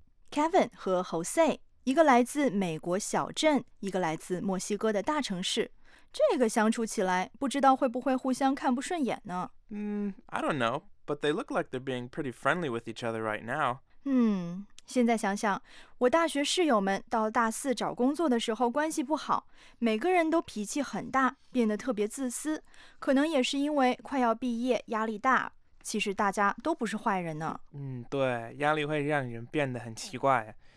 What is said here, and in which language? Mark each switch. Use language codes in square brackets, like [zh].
[zh] Kevin 和 Jose， 一个来自美国小镇，一个来自墨西哥的大城市，这个相处起来不知道会不会互相看不顺眼呢？ [en] I don't know, but they look like they're being pretty friendly with each other right now. [zh] 现在想想，我大学室友们到大四找工作的时候关系不好，每个人都脾气很大，变得特别自私，可能也是因为快要毕业，压力大。其实大家都不是坏人呢。对，压力会让人变得很奇怪。